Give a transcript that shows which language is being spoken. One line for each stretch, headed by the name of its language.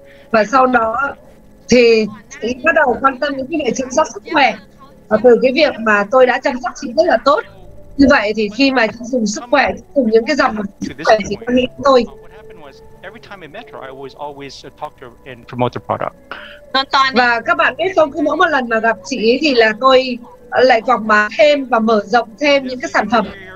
Vietnamese: Và sau đó thì chị bắt đầu quan tâm đến cái việc chăm sóc sức khỏe. Và từ cái việc mà tôi đã chăm sóc chị rất là tốt. Như vậy thì khi mà chị dùng sức khỏe, chị dùng những cái dòng sức khỏe chị có nghĩ đến tôi.
English: Every time I met her, I was always talk to her and promote the product.
Vietnamese: Và các bạn biết không, cứ mỗi một lần mà gặp chị ấy thì là tôi lại quảng bá thêm và mở rộng thêm những cái sản phẩm.